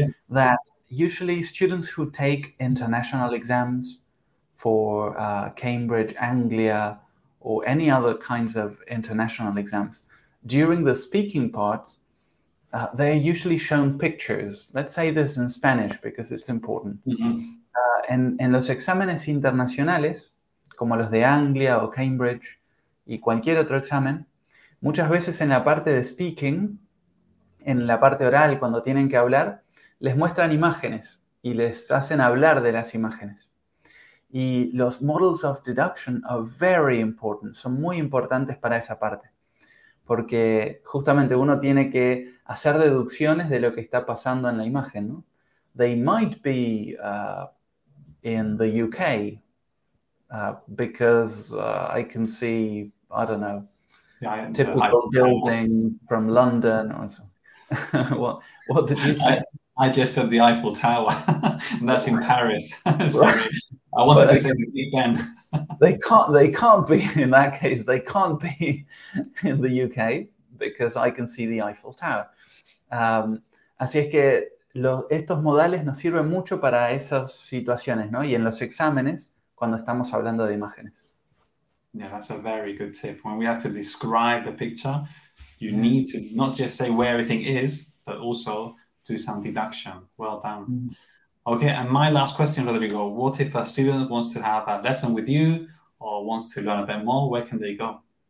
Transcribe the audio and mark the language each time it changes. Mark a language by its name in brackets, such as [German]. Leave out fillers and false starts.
[English] That usually students who take international exams for Cambridge, Anglia, or any other kinds of international exams, during the speaking parts, they're usually shown pictures. Let's say this in Spanish because it's important. Mm-hmm. [Spanish] En los exámenes internacionales, como los de Anglia o Cambridge y cualquier otro examen, muchas veces en la parte de speaking, en la parte oral, cuando tienen que hablar, les muestran imágenes y les hacen hablar de las imágenes. Y los [English] models of deduction are very important, [Spanish] son muy importantes para esa parte. Porque justamente uno tiene que hacer deducciones de lo que está pasando en la imagen, ¿no? [English] They might be in the UK because I can see, I don't know, typical building from London or so. What did you say? I just said the Eiffel Tower, and that's in Paris. Sorry. I wanted to say the deep end. They can't be, in that case, they can't be in the UK because I can see the Eiffel Tower. [Spanish] Así es que estos modales nos sirven mucho para esas situaciones, ¿no? Y en los exámenes, cuando estamos hablando de imágenes. [English] Yeah, that's a very good tip. When we have to describe the picture, you need to not just say where everything is, but also do some deduction. Well done. Mm. Okay, and my last question, Rodrigo, what if a student wants to have a lesson with you or wants to learn a bit more, where can they go?